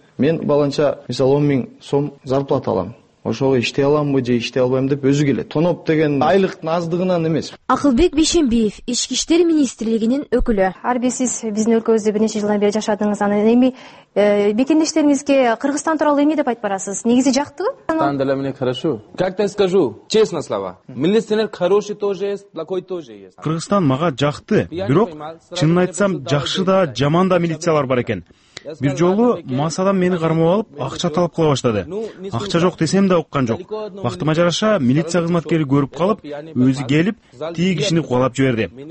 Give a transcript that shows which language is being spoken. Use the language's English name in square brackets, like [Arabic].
[Kyrgyz] Мен баланча мисалы 10,000 сом зарплата алам, ошого иштей аламбы же иштей албайм деп өзү келет. Тоноп деген айлыктын аздыгынан эмес. Акылбек Бейшенбиев, ички иштер министрлигинин өкүлү. Ар бир сиз биздин өлкөбүздө бир нече жылдан бери жашадыңыз, анан эми мекендештериңизге Кыргызстан тууралуу эмне деп айтып барасыз? Негизи жактыбы? [Russian] Кыргызстан [Kyrgyz] деле [Russian] мне хорошо. Как тебе скажу, честно слова. Милиционер хороший тоже есть, плохой тоже есть. [Kyrgyz] Кыргызстан мага жакты, бирок чынын айтсам жакшы да, жаман да милициялар бар экен. Бир жолу массадан мени кармап алып, акча талап кыла баштады. Акча жок десем да уккан жок. Бактыма жараша милиция кызматкери көрүп калып, өзү келип, тии кишини кубалап жиберди.